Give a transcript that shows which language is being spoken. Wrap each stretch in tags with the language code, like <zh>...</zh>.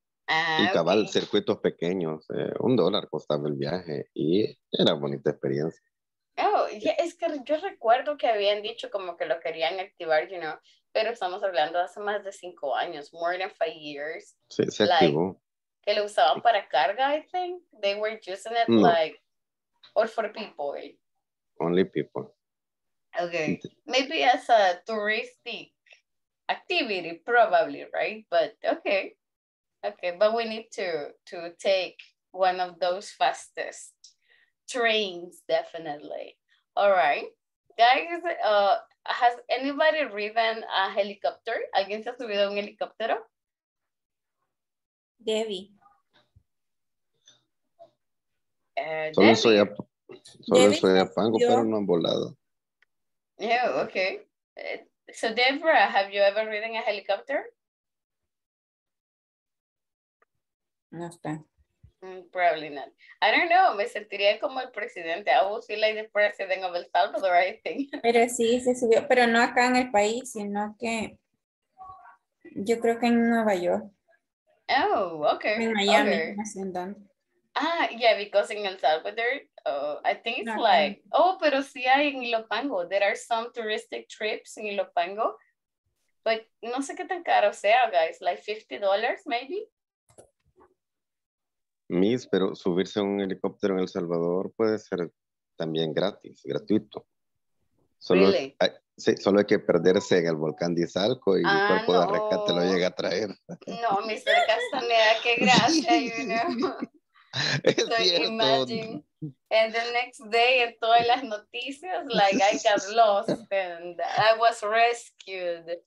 <es>Ah, y cabal, okay. Circuitos pequeños. Un dólar costaba el viaje y era bonita experiencia. Oh, yeah, es que yo recuerdo que habían dicho como que lo querían activar,</es> <en>you know.</en> <es>Pero estamos hablando de hace más de 5 años.</es> <en>More than 5 years.</en> <es>Sí, se activó. Que lo usaban para carga,</es> <en>I think. They were using it like, or for people. Only people. Okay, maybe as a touristic activity, probably, right? But okay, but we need to take one of those fastest trains, definitely. All right, guys, has anybody ridden a helicopter?</en> <es>¿Alguien se ha subido un helicóptero? Debbie. Solo soy a Pango, pero no han volado.</es> <en>Yeah, okay. So, Deborah, have you ever ridden a helicopter?</en> <es>No está.</es> <en>Probably not. I don't know.</en> <es>Me sentiría como el presidente.</es> <en>I would feel like the president of El Salvador, I think.</en> <es>Pero sí, se subió. Pero no acá en el país, sino que... Yo creo que en Nueva York.</es> <en>Oh, okay.</en> <es>En Miami, haciendo.</es> <en>Ah, yeah, because in El Salvador, I think it's no, like, no. Oh,</en> <es>pero sí hay en Ilopango.</es> <en>There are some touristic trips in Ilopango.</en> <es>But no sé qué tan caro sea, guys.</es> <en>Like $50, maybe?</en> <es>Miss, pero subirse a un helicóptero en El Salvador puede ser también gratis, gratuito.</es> <en>Solo, really?</en> <es>Sí, solo hay que perderse en el volcán de Izalco y el cuerpo de rescate lo llega a traer. No, Mr. Castaneda, qué gracia,</es> <en>you know. So imagine, and the next day,</en> <es>en todas las noticias,</es> <en>like I got lost and I was rescued.</en>